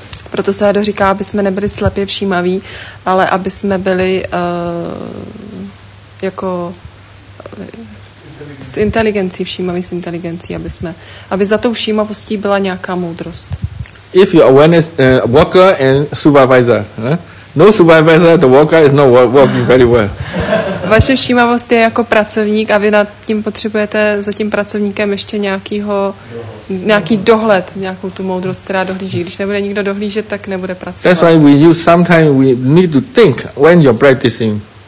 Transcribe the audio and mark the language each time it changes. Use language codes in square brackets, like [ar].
[cs] Proto se Ado říká, aby jsme nebyli slepě všímaví, ale aby jsme byli jako s inteligencí všímaví, s inteligencí, aby za tou všímavostí byla nějaká moudrost. [en] If you awareness worker and supervisor, no supervisor, the worker is not working very well. [cs] Vaše všímavost je jako pracovník a vy nad tím potřebujete za tím pracovníkem ještě nějaký dohled, nějakou tu moudrost, která dohlíží. Když nebude nikdo dohlížet, tak nebude pracovat. [en] That's why we need to think when you're practicing.